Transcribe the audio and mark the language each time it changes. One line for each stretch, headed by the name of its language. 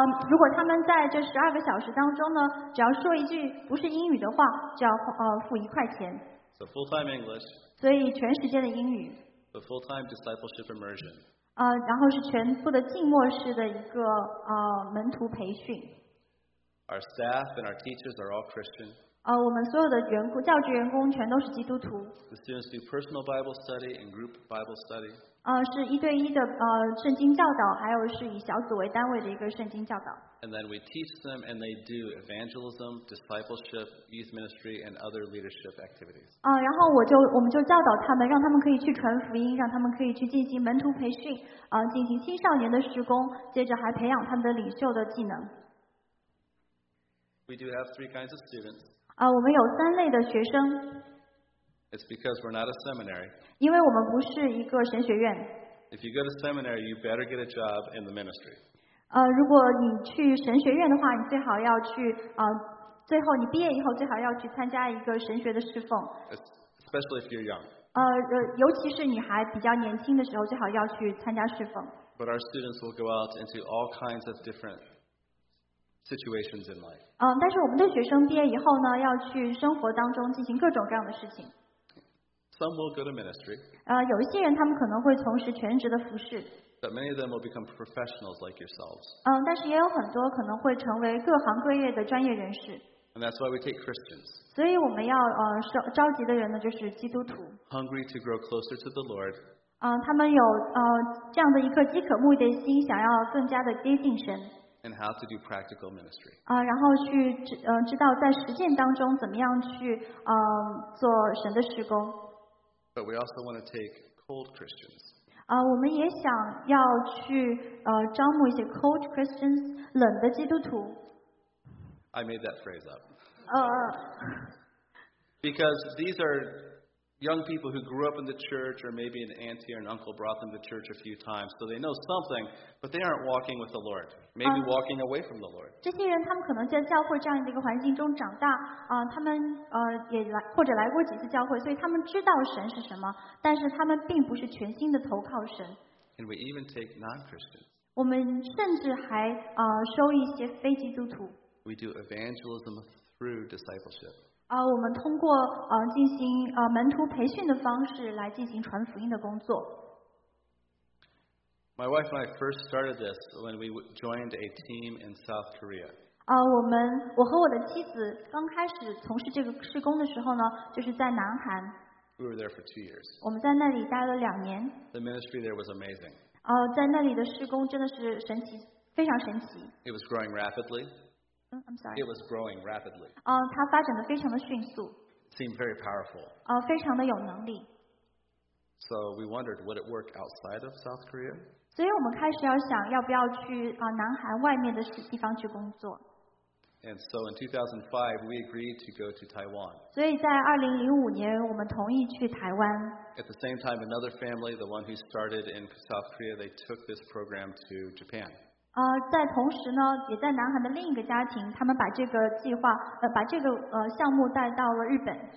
Chinese: 如果他们在这十二个小时当中呢，只要说一句不是英语的话，就要付1块钱。
English: So full-time English.
Chinese: 所以全时间的英语。
English: The full-time discipleship immersion.
Chinese: 然后是全部的浸没式的一个门徒培训。
English: Our staff and our teachers are all Christian.
Chinese: 我们所有的员工教职员工全都是基督徒。
English: The students do personal Bible study and group Bible study.
Chinese: 是一对一的圣经教导，还有是以小组为单位的一个圣经教导。
English: And then we teach them and they do evangelism, discipleship, youth ministry, and other leadership activities.
Chinese: 然后我们就教导他们，让他们可以去传福音，让他们可以去进行门徒培训，进行青少年的施工，接着还培养他们的领袖的技能。
English: We do have 3 kinds of students.
Chinese: 我们有三类的学生。
English: It's because we're not a seminary.
Chinese: 因为我们不是一个神学院。
English: If you go to seminary, you better get a job in the ministry.
Chinese: 如果你去神学院的话，你最好要去最后你毕业以后最好要去参加一个神学的侍奉。
English: Especially if you're young.
Chinese: 尤其是你还比较年轻的时候，最好要去参加侍奉。
English: But our students will go out into all kinds of different situations in life.
Chinese: 但是我们的学生毕业以后呢，要去生活当中进行各种各样的事情。
English: Some will go to ministry.
Chinese: 有一些人他们可能会从事全职的服事。
English: But many of them will become professionals like yourselves.
Chinese: 但是也有很多可能会成为各行各业的专业人士。
English: And that's why we take Christians.
Chinese: 所以我们要召集的人呢，就是基督徒。
English: Hungry to grow closer to the Lord.
Chinese: 他们有这样的一颗饥渴慕义的心，想要更加的接近神。
English: And how to do practical ministry.
Chinese: 然后去知道在实践当中怎么样去做神的事工。
English: But we also want to take cold Christians.
Chinese: 我们也想要去招募一些
English: cold Christians,
Chinese: 冷的基督徒。
English: I made that phrase up. Because these are young people who grew up in the church, or maybe an auntie or an uncle brought them to church a few times, so they know something, but they aren't walking with the Lord. Maybe walking away from the Lord.
Chinese: 这些人他们可能在教会这样的一个环境中长大，他们也来或者来过几次教会，所以他们知道神是什么，但是他们并不是全心的投靠神。
English: Can we even take non-Christians?
Chinese: 我们甚至还收一些非基督徒。
English: We do evangelism through discipleship.
Chinese: 我们通过进行门徒培训的方式来进行传福音的工作。
English: My wife and I first started this when we joined a team in South Korea.
Chinese: 我和我的妻子刚开始从事这个事工的时候呢，就是在南韩。
English: We were there for 2 years.
Chinese: 我们在那里待了两年。
English: The ministry there was amazing.
Chinese: 在那里的事工真的是神奇，非常神奇。
English: It was growing rapidly. I'm sorry. It was growing rapidly.
Chinese: 它发展的非常的迅速。
English: Seemed very powerful.
Chinese: 非常的有能力。
English: So we wondered, would it work outside of South Korea?
Chinese: 所以我们开始要想要不要去南韩外面的地方去工作。
English: And so in 2005, we agreed to go to Taiwan.
Chinese: 所以在2005年，我们同意去台湾。
English: At the same time, another family, the one who started in South Korea, they took this program to Japan.
Chinese: 在同时呢，也在南韩的另一个家庭，他们把这个计划，把这个项目带到了日本。